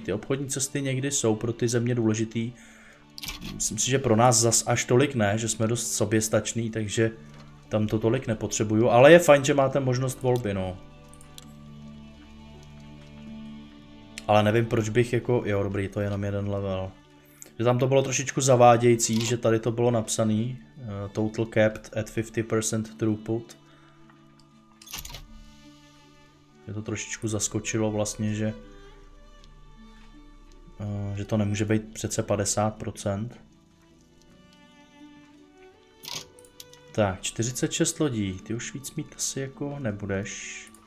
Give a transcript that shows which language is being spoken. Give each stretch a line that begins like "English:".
Czech: Ty obchodní cesty někdy jsou pro ty země důležitý. Myslím si, že pro nás zas až tolik ne, že jsme dost soběstační, takže tam to tolik nepotřebuju. Ale je fajn, že máte možnost volby, no. Ale nevím, proč bych jako... Jo, dobrý, to je jenom jeden level. Že tam to bylo trošičku zavádějící, že tady to bylo napsaný.
English: Total capped at 50% throughput.
Czech: Mě to trošičku zaskočilo vlastně, že to nemůže být přece 50%. Tak, 46 lodí, ty už víc mít asi jako nebudeš.